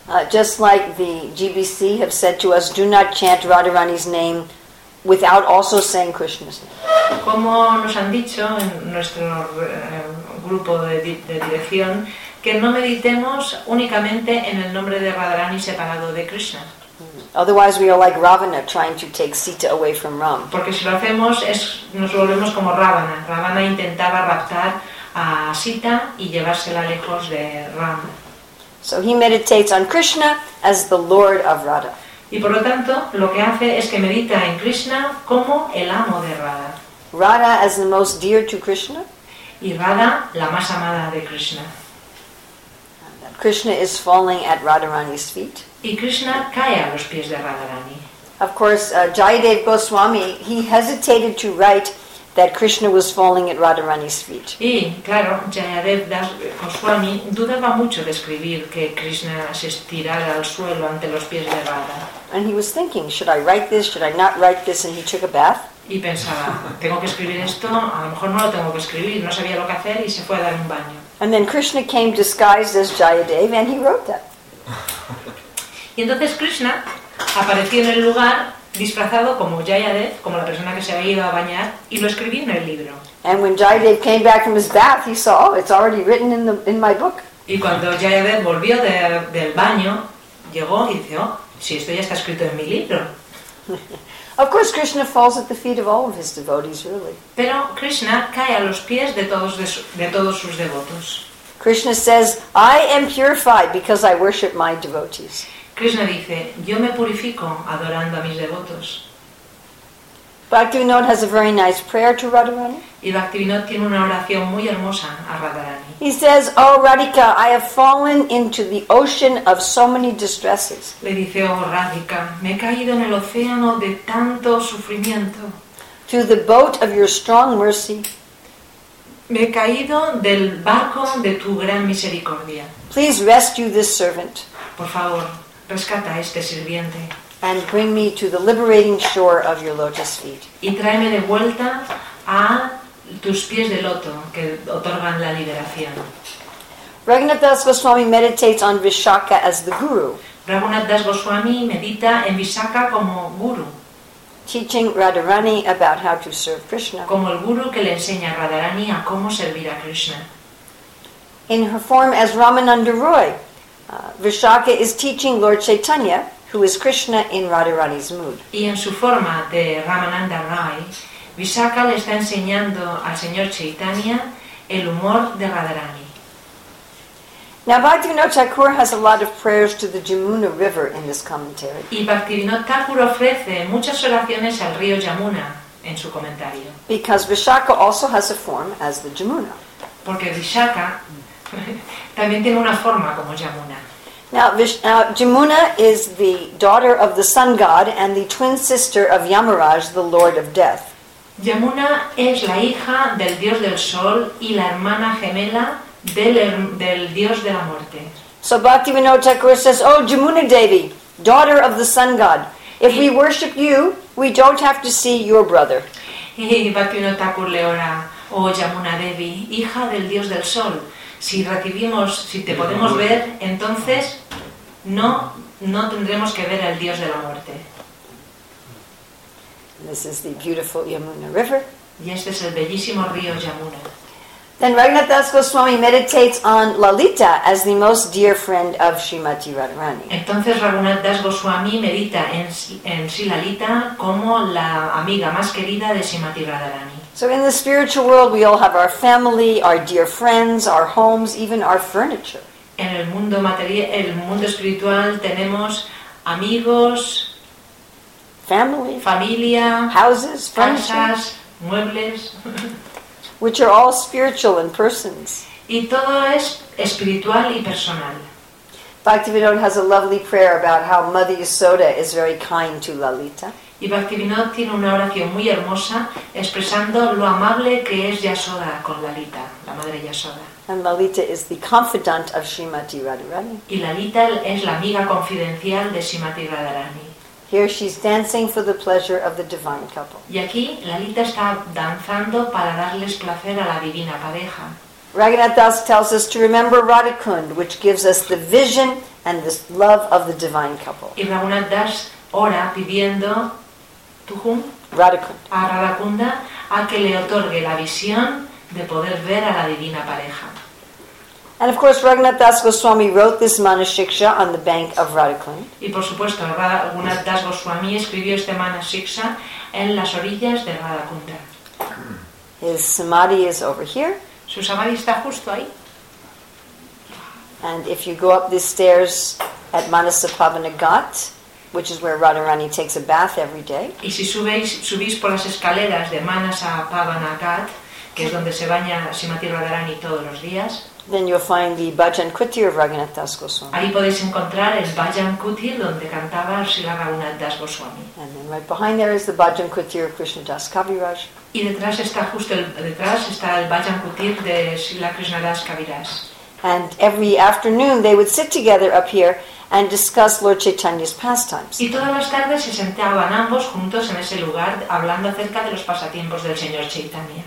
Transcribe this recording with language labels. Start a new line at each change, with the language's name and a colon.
English: Just like the GBC have said to us, do not chant Radharani's name without also saying Krishna's name.
Spanish: Como nos han dicho en nuestro grupo de dirección, que no meditemos únicamente en el nombre de Radharani separado de Krishna.
English: Otherwise we are like Ravana trying to take Sita away from Ram.
Spanish: Porque si lo hacemos nos volvemos como Ravana. Ravana intentaba raptar a Sita y llevársela lejos de Ram.
English: So he meditates on Krishna as the Lord of Radha.
Spanish: Y por lo tanto, lo que hace es que medita en Krishna como el amo de Radha.
English: Radha as the most dear to Krishna.
Spanish: Y Radha, la más amada de Krishna.
English: Krishna is falling at Radharani's feet.
Spanish: Y Krishna cae a los pies de Radharani.
English: Of course, Jayadeva Goswami, he hesitated to write that Krishna was falling at Radharani's feet.
Spanish: Y claro, Jayadev Das Goswami dudaba mucho de escribir que Krishna se estirara al suelo ante los pies de Radha.
English: And he was thinking, should I write this? Should I not write this? And he took a bath.
Spanish: Y pensaba, tengo que escribir esto. A lo mejor no lo tengo que escribir. No sabía lo que hacer y se fue a dar un baño.
English: And then Krishna came disguised as Jayadev, and he wrote that.
Spanish: Y entonces Krishna apareció en el lugar disfrazado como Jayadev, como la persona que se había ido a bañar, y lo escribió en el libro.
English: And when Jayadev came back from his bath, he saw, oh, it's already written in the in my book.
Spanish: Y cuando Jayadev volvió del baño, llegó y dijo, oh, si esto ya está escrito en mi libro.
English: Of course, Krishna falls at the feet of all of his devotees, really.
Spanish: Pero Krishna cae a los pies de todos sus devotos.
English: Krishna says, "I am purified because I worship my devotees."
Spanish: Krishna dice, "Yo me purifico adorando a mis devotos."
English: Bhaktivinoda has a very nice prayer to Radharani.
Spanish: Y Bhaktivinoda tiene una oración muy hermosa a Radharani.
English: He says, "Oh Radhika, I have fallen into the ocean of so many distresses."
Spanish: Le dice, "Oh Radhika, me he caído en el océano de tanto sufrimiento."
English: "To the boat of your strong mercy."
Spanish: Me he caído del barco de tu gran misericordia.
English: "Please rescue this servant."
Spanish: Por favor, rescata a este sirviente.
English: "And bring me to the liberating shore of your lotus feet."
Spanish: Y tráeme de vuelta a tus pies de loto que otorgan la liberación.
English: Raghunath Das Goswami meditates on Vishakha as the guru.
Spanish: Raghunath Das Goswami medita en Vishakha como guru.
English: Teaching Radharani about how to serve Krishna.
Spanish: Como el guru que le enseña a Radharani a cómo servir a Krishna.
English: In her form as Ramananda Roy, Vishakha is teaching Lord Chaitanya, who is Krishna in Radharani's mood.
Spanish: Y en su forma de Ramananda Rai, Vishakha le está enseñando al señor Chaitanya el humor de Radharani.
English: Now Bhaktivinoda Thakur has a lot of prayers to the Jamuna River in this commentary.
Spanish: Y Bhaktivinoda Thakur ofrece muchas oraciones al río Yamuna en su comentario.
English: Because Vishakha also has a form as the Jamuna.
Spanish: Porque Vishakha también tiene una forma como Yamuna.
English: Now, Jamuna is the daughter of the sun god and the twin sister of Yamaraj, the lord of death.
Spanish: Yamuna es la hija del dios del sol y la hermana gemela del dios de la muerte.
English: So Bhaktivinoda Thakur says, "Oh, Jamuna Devi, daughter of the sun god, if we worship you, we don't have to see your brother."
Spanish: Y Bhaktivinoda Thakur le ora, "Oh, Jamuna Devi, hija del dios del sol, si te podemos ver, entonces no tendremos que ver al dios de la muerte."
English: This is the beautiful Yamuna River.
Spanish: Y este es el bellísimo río Yamuna.
English: Then Raghunath Das Goswami meditates on Lalita as the most dear friend of Srimati Radharani.
Spanish: Entonces Raghunath Das Goswami medita en Lalita como la amiga más querida de Srimati Radharani.
English: So in the spiritual world we all have our family, our dear friends, our homes, even our furniture.
Spanish: En el mundo material, el mundo espiritual tenemos amigos,
English: family,
Spanish: familia,
English: houses,
Spanish: casas, muebles,
English: which are all spiritual and persons.
Spanish: Y todo es espiritual y personal.
English: Bhaktivinoda has a lovely prayer about how Mother Yasoda is very kind to Lalita.
Spanish: Y Bhaktivinoda tiene una oración muy hermosa expresando lo amable que es Yasoda con Lalita, la madre Yasoda.
English: And Lalita is the confidant of Srimati Radharani.
Spanish: Y Lalita es la amiga confidencial de Srimati Radharani.
English: Here she's dancing for the pleasure of the divine couple.
Spanish: Y aquí Lalita está danzando para darles placer a la divina pareja.
English: Raghunath Das tells us to remember Radhakund, which gives us the vision and the love of the divine couple.
Spanish: Y Raghunath Das ora pidiendo Tuhum Radhakund. A Radhakunda a que le otorgue la visión de poder ver a la divina pareja.
English: And of course, Raghunath Das Goswami wrote this Manasiksha on the bank of Radhakund.
Spanish: Y por supuesto, Raghunath Das Goswami escribió este Manasiksha en las orillas de Radhakunda.
English: His samadhi is over here.
Spanish: Su samadhi está justo ahí.
English: And if you go up these stairs at Manasapavana Ghat, which is where Radharani takes a bath every day.
Spanish: Y si subís por las escaleras de Manasapavana Ghat, que es donde se baña Srimati Radharani todos los días,
English: then you'll find the Bhajan Kuti of Raghunath Das Goswami.
Spanish: Ahí podéis encontrar el Bhajan Kuti donde cantaba Srila Raghunath Das Goswami.
English: And then right behind there is the Bhajan Kuti of Krishnadas Kaviraj.
Spanish: Y detrás está justo el, detrás está el Bhajan Kutir de Srila Krishnadas Kaviraj.
English: And every afternoon they would sit together up here and discuss Lord Chaitanya's pastimes.
Spanish: Y todas las tardes se sentaban ambos juntos en ese lugar hablando acerca de los pasatiempos del señor Chaitanya.